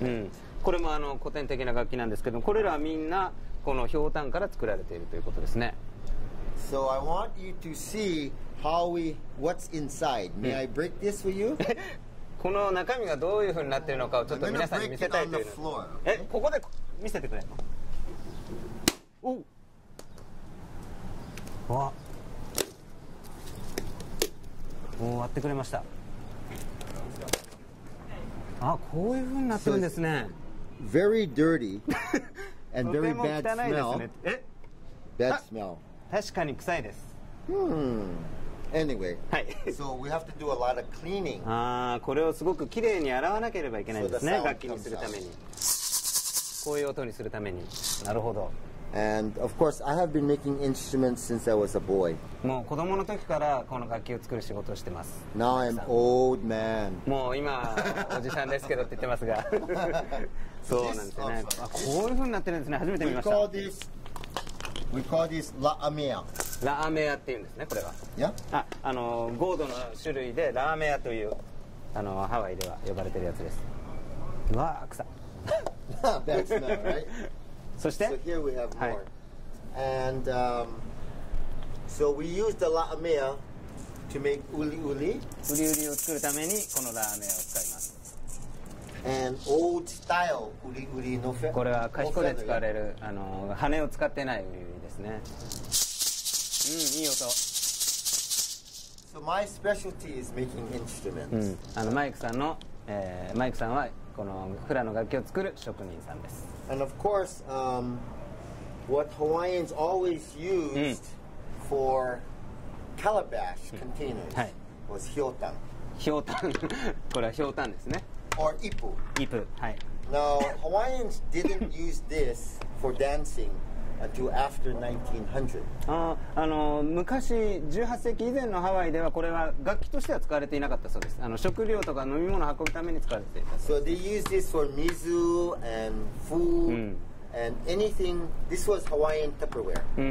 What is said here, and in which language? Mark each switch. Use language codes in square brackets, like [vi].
[ja] うん、これも古典的な楽器なんですけど、これらはみんなこのひょうたんから作られているということですね。 [en] So I want you to see what's inside. May I break this for you? [ja] この中身がどういうふうになっているのかをちょっと皆さんに見せたいという。 [en] I'm gonna break it on the floor, okay? [ja] ここで見せてくれ。お、わ、もう割ってくれました。あ、こういう風になってるんですね。 [en] Very dirty and very bad smell. [ja] とても汚いですね。 [en] Bad smell. [ja] 確かに臭いです。 [en] Anyway, [ja] はい、 [en] so we have to do a lot of cleaning. [ja] あ、これをすごくきれいに洗わなければいけないですね。楽器にするために。こういう音にするために。なるほど。 [en] And of course, I have been making instruments since I was a boy. [ja] もう子供の時からこの楽器を作る仕事をしてます。 [en] Now I'm old man. [ja] もう今おじさんですけどって言ってますが。そうなんですね。あ、こういう風になってるんですね。初めて見ました。 [en] We call this La Amea. [ja] La Amea って言うんですね、これは。 [en] Yeah? [ja] ゴードの種類でラーメアというハワイでは呼ばれてるやつです。わー、臭。 [en] That's not right. [ja] そして、 [en] so here we have more. はい。And so we used the La Amea to make uli uli. [ja] Uli uli を作るためにこのラーメンを使います。 [en] And old style uli uli のフェ。 [ja] これはカヒコで使われる羽を使ってないウリウリですね。うん、いい音。 [en] So my specialty is making instruments. [ja] うん、マイクさんの、マイクさんは。このフラの楽器を作る職人さんです。 [en] And of course, what Hawaiians always used for calabash containers was hyotan. [ja] Hyotan. これは hyotan ですね。 [en] Or ipu. [ja] Ipu. はい。 [en] Now Hawaiians didn't use this for dancing until after 1900. [ja] 昔18世紀以前のハワイではこれは楽器としては使われていなかったそうです。食料とか飲み物を運ぶために使われていた。 [en] So they used this for mizu and food、うん、 And anything, this was Hawaiian Tupperware.